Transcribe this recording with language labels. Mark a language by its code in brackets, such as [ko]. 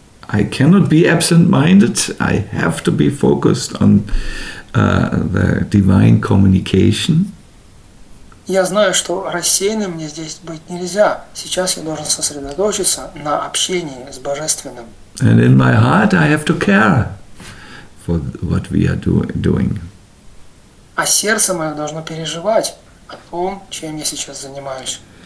[en] I cannot be absent-minded. I have to be focused on the divine communication. [ru] Я знаю, что рассеянным мне здесь быть нельзя. Сейчас я должен сосредоточиться на общении с Божественным. [en] And in my heart, I have to care for what we are doing. [ru] А сердце мое должно переживать о том, чем я сейчас занимаюсь.